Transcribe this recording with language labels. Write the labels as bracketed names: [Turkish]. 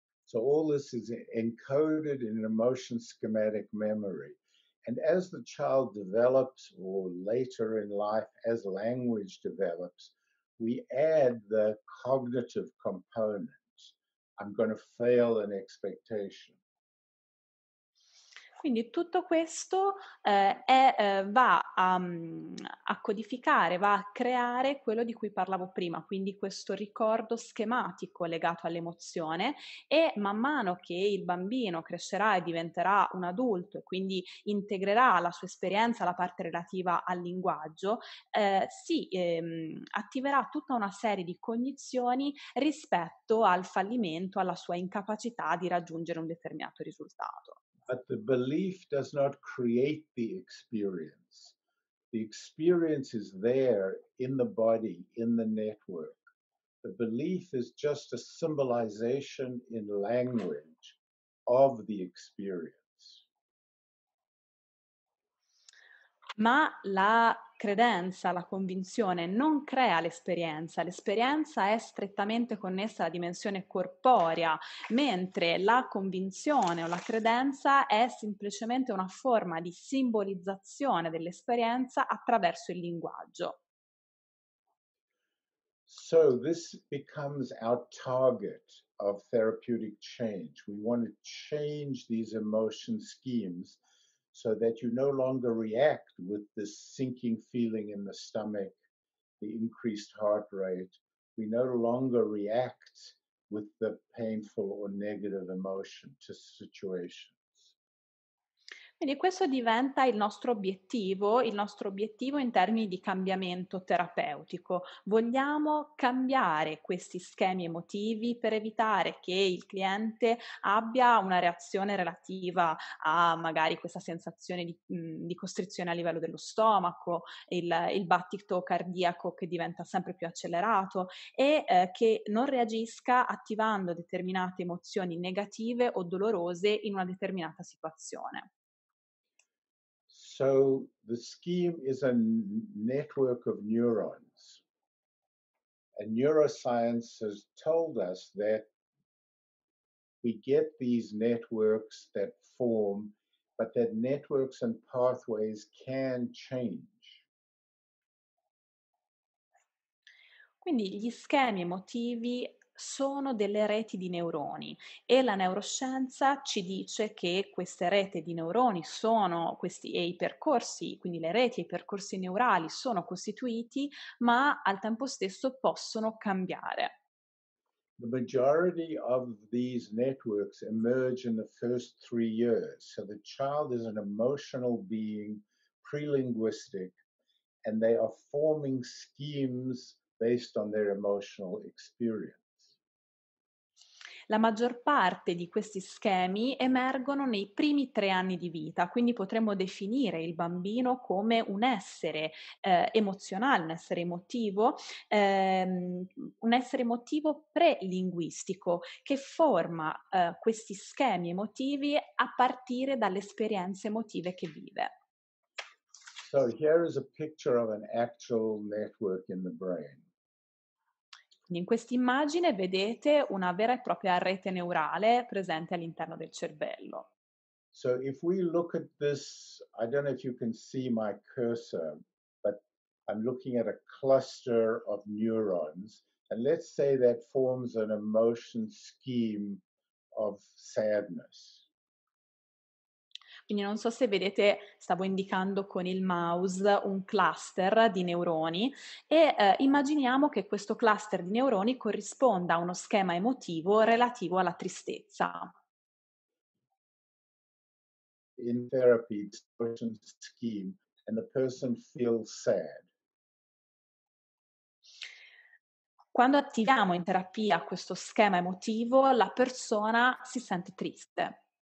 [English] So all this is encoded in an emotion schematic memory. And as the child develops, or later in life, as language develops, we add the cognitive component. I'm going to fail an expectation. [Italian] Quindi tutto questo va a codificare, va a creare quello di cui parlavo prima, quindi questo ricordo schematico legato all'emozione e man mano che il bambino crescerà e diventerà un adulto e quindi integrerà la sua esperienza, la parte relativa al linguaggio, attiverà tutta una serie di cognizioni rispetto al fallimento, alla sua incapacità di raggiungere un determinato risultato. [English] But the belief does not create the experience. The experience is there in the body, in the network. The belief is just a symbolization in language of the experience. [Italian] Ma la credenza, la convinzione non crea l'esperienza. L'esperienza è strettamente connessa alla dimensione corporea, mentre la convinzione o la credenza è semplicemente una forma di simbolizzazione dell'esperienza attraverso il linguaggio. [English] So this becomes our target of therapeutic change. We want to change these emotion schemes so that you no longer react with this sinking feeling in the stomach, the increased heart rate. We no longer react with the painful or negative emotion to situation. [Italian] Quindi questo diventa il nostro obiettivo in termini di cambiamento terapeutico. Vogliamo cambiare questi schemi emotivi per evitare che il cliente abbia una reazione relativa a magari questa sensazione di costrizione a livello dello stomaco, il battito cardiaco che diventa sempre più accelerato e che non reagisca attivando determinate emozioni negative o dolorose in una determinata situazione. [English] So the scheme is a network of neurons. And neuroscience has told us that we get these networks that form, but that networks and pathways can change. [Italian] Quindi gli schemi emotivi sono delle reti di neuroni e la neuroscienza ci dice che queste reti di neuroni sono questi e i percorsi, quindi le reti e i percorsi neurali sono costituiti, ma al tempo stesso possono cambiare. [English] The majority of these networks emerge in the first 3 years. So the child is an emotional being, pre-linguistic, and they are forming schemes based on their emotional experience. [Italian] La maggior parte di questi schemi emergono nei primi 3 anni di vita, quindi potremmo definire il bambino come un essere emozionale, un essere emotivo prelinguistico che forma questi schemi emotivi a partire dalle esperienze emotive che vive. [English] So here is a picture of an actual network in the brain. [Italian] In questa immagine vedete una vera e propria rete neurale presente all'interno del cervello. [English] So if we look at this, I don't know if you can see my cursor, but I'm looking at a cluster of neurons, and let's say that forms an emotion scheme of sadness. [Italian] Quindi non so se vedete, stavo indicando con il mouse un cluster di neuroni e immaginiamo che questo cluster di neuroni corrisponda a uno schema emotivo relativo alla tristezza. [English] In therapy, it's a emotion scheme and the person feels sad. [Italian] Quando attiviamo in terapia questo schema emotivo, la persona si sente triste.